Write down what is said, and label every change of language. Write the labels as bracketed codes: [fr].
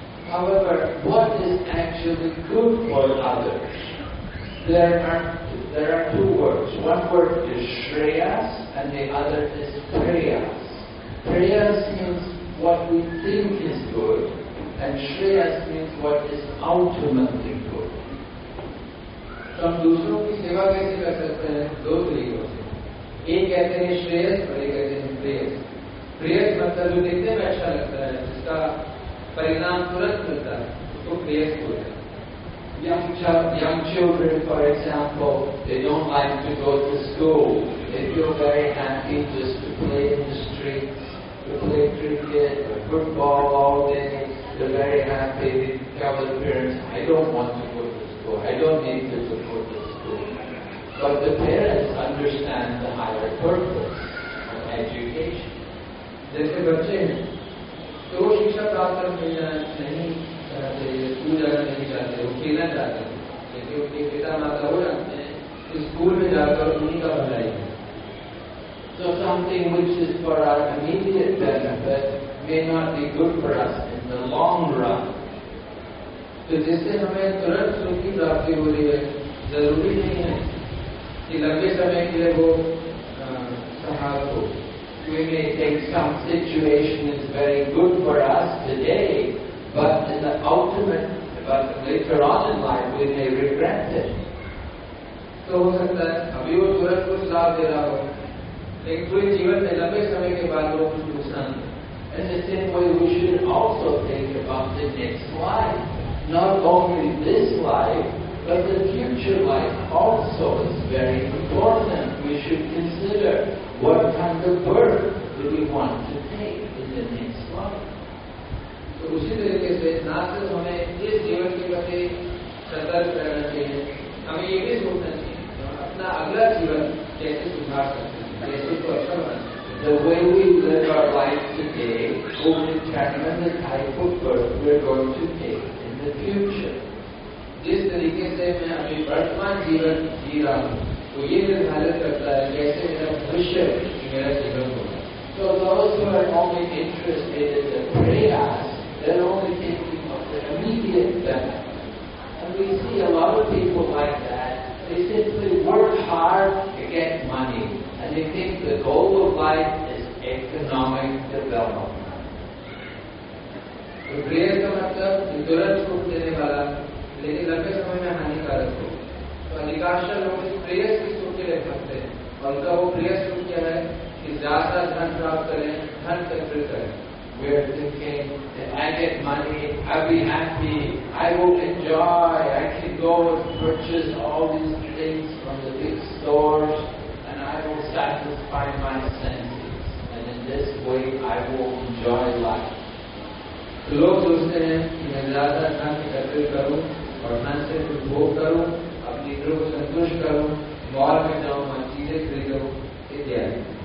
[en] However, what is actually good for others? There are two words. One word is Shreyas and the other is Prayas. Prayas means what we think is good, and Shreyas means what is ultimately good. [hi] So, हम दूसरों की सेवा कैसे कर सकते हैं? दो तरीकों से. एक कहते हैं श्रेयस और एक कहते हैं प्रेयस. प्रेयस मतलब जो देखने में अच्छा लगता है, जिसका परिणाम तुरंत मिलता है, उसको प्रेयस बोलते हैं. [en] Young children, for example, they don't like to go to school. They feel very happy just to play in the streets, to play cricket or football all day. They're very happy. They tell their parents, I don't want to go to school. I don't need to support the school. But the parents understand the higher purpose of education. [hi] जैसे बच्चे हैं तो शिक्षा प्राप्त करने नहीं चाहते, school जाना नहीं चाहते, वो खेलना चाहते हैं, लेकिन उनके पिता माता वो जानते हैं कि स्कूल में जाकर उन्हीं का भलाई है. [en] So something which is for our immediate benefit may not be good for us in the long run. [hi] तो जिससे हमें तुरंत सुख की प्राप्ति हो रही है, जरूरी नहीं है कि लंबे समय के लिए वो सहायक हो. [en] We may think some situation is very good for us today, but in the ultimate, but later on in life, we may regret it. [hi] So हो सकता है अभी वो तुरंत कुछ लाभ दे रहा हो, लेकिन पूरे जीवन में लंबे समय के बाद वो कुछ नुकसान. [en] And the same way, we should also think about the next life. Not only this life, but the future life also is very important. We should consider what kind of birth do we want to take in the next life. [hi] तो उसी तरीके से ना सिर्फ हमें इस जीवन के प्रति सतर्क रहना चाहिए, हमें ये भी सोचना चाहिए अपना अगला जीवन कैसे सुधार सकते हैं, कैसे उसको अच्छा बना सकते हैं. [en] The way we live our life today will determine the type of birth we're going to take in the future. [hi] जिस तरीके से मैं अभी वर्तमान जीवन जी रहा हूँ वो ये निर्धारित करता है कैसे मेरा भविष्य मेरा जीवन होगा. [en] So those who are only interested in the prayers, they're only thinking of the immediate benefit. And we see a lot of people like that. They simply work hard to get money, and they think the goal of life is economic development. [hi] तो prayer का मतलब तुरंत सुख देने वाला, लेकिन लंबे समय में हानिकारक हो. तो अधिकांश लोग इस प्रेयर से सुख के लिए करते हैं, और उनका वो प्रेयर सुख क्या है कि ज्यादा धन प्राप्त करें, धन एकत्रित करें. [en] We are thinking that I get money, I'll be happy, I will enjoy, I can go and purchase all these things from the big stores, and I will satisfy my senses. this way I will enjoy life. [hi] तो लोग सोचते हैं कि मैं ज्यादा धन एकत्रित करूं और धन से कुछ भोग करूं, अपनी इंद्रियों को संतुष्ट करूं, मॉल में जाऊं, मन चीजें खरीदूं इत्यादि.